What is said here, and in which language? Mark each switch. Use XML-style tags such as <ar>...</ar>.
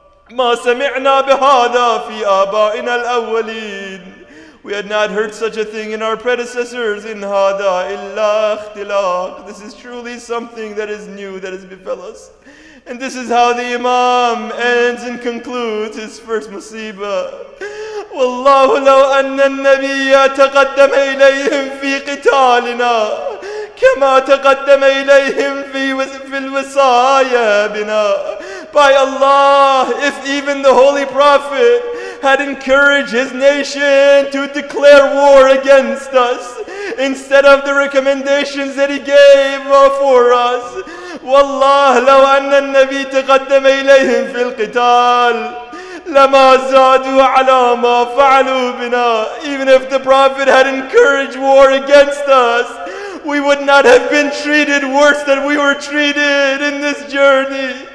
<ar>مَا سَمِعْنَا بِهَذَا فِي آبَائِنَا الْأَوَّلِينَ,</ar> <en>we had not heard such a thing in our predecessors.</en> <ar>إِنْ هَذَا إِلَّا اخْتِلَاقٌ,</ar> <en>this is truly something that is new that has befell us. And this is how the Imam ends and concludes his first musibah.</en> <ar>وَاللَّهُ لَوْ أَنَّ النَّبِيَّ تَقَدَّمَ إِلَيْهِمْ فِي قِتَالِنَا كما تقدم إليهم في الوصايا بنا.</ar> <en>By Allah, if even the Holy Prophet had encouraged his nation to declare war against us instead of the recommendations that he gave for us.</en> <ar>والله لو أن النبي تقدم إليهم في القتال لما زادوا على ما فعلوا بنا,</ar> <en>even if the Prophet had encouraged war against us, we would not have been treated worse than we were treated in this journey.</en>